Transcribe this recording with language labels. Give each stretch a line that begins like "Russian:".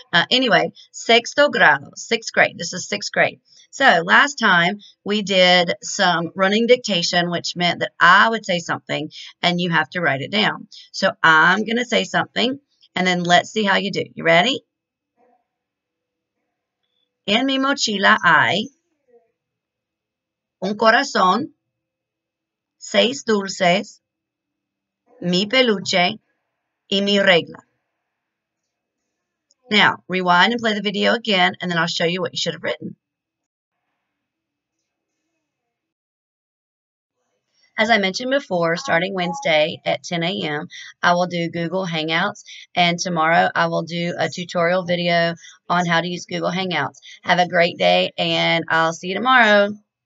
English: Anyway,
Spanish: sexto grado,
English: sixth grade. This is sixth grade. So last time we did some running dictation, which meant that I would say something and you have to write it down. So I'm going to say something and then let's see how you do. You ready?
Spanish: En mi mochila hay un corazón, seis dulces, mi peluche y mi regla.
English: Now, rewind and play the video again, and then I'll show you what you should have written. As I mentioned before, starting Wednesday at 10 a.m., I will do Google Hangouts, and tomorrow I will do a tutorial video on how to use Google Hangouts. Have a great day, and I'll see you tomorrow.